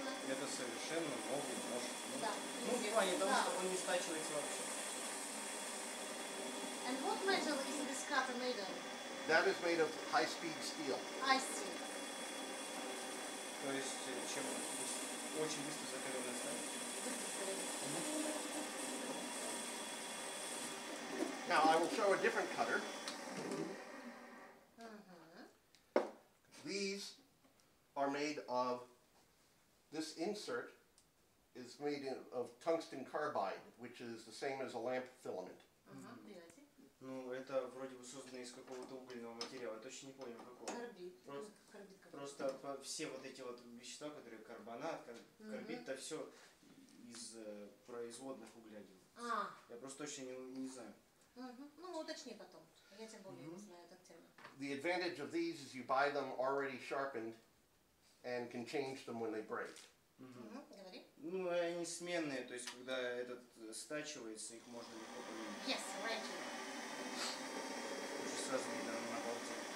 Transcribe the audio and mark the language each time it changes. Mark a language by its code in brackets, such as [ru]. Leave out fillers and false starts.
[ru] Это совершенно новый нож. Ну, в плане того, что он не стачивается вообще. [en] And what metal is this cutter made of? That is made of high-speed steel. High steel. [ru] То есть, чем очень быстро закаленная сталь. [en] Now, I will show a different cutter. These are made of, this insert is made of tungsten carbide, which is the same as a lamp filament. [ru] Ну, это вроде бы создано из какого-то угольного материала, я точно не понял какого. Просто все вот эти вот вещества, которые карбонат, карбид, это все из производных угля делается. Я просто точно не знаю. Ну, уточни потом. Я тем более не знаю этот термин. [en] The advantage of these is you buy them already sharpened and can change them when they break. [ru] Ну, они сменные, то есть когда этот стачивается, их можно легко поменять. [en] Yes, right. [ru] Уже сразу видно на полке.